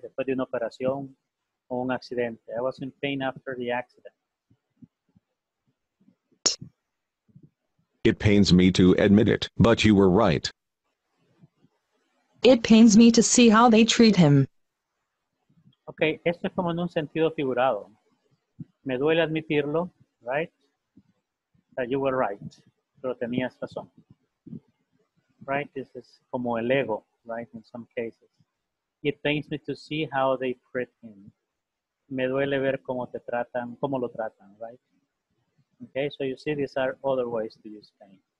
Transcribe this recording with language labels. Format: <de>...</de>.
<es>Después de una operación o un accidente.</es> <en>I was in pain after the accident. It pains me to admit it, but you were right. It pains me to see how they treat him.</en> <es>Okay, esto es como en un sentido figurado. Me duele admitirlo, right?</es> <en>That you were right,</en> <es>pero tenías razón.</es> <en>Right, this is</en> <es>como el ego,</es> <en>right, in some cases. It pains me to see how they treat him.</en> <es>Me duele ver cómo te tratan, cómo lo tratan, right?</es> <en>Okay, so you see these are other ways to use pain.</en>